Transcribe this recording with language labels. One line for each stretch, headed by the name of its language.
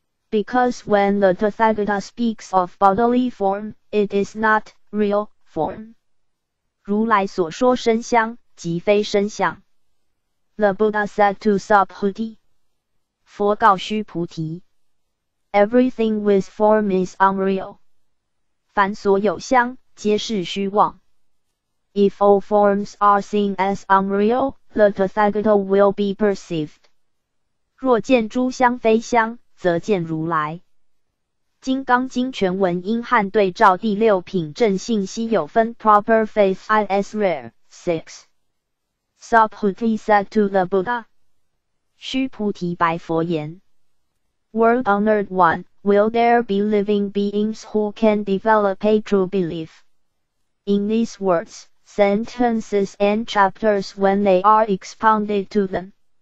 English: Because when the Tathagata speaks of bodily form, it is not real form.
Chinese: 如来所说身相，即非身相。
English: The Buddha said to Subhuti,
Chinese: 佛告须菩提，
English: Everything with form is unreal.
Chinese: 凡所有相，皆是虚妄。
English: If all forms are seen as unreal, the Tathagata will be perceived.
Chinese: 若见诸相非相，则见如来。金刚经全文因汉对照第六品正信息有分
English: Proper Faith is rare 6 Subhuti said to the Buddha
Chinese: 须菩提白佛言
English: World honored one, will there be living beings who can develop a true belief? In these words, sentences and chapters when they are expounded to them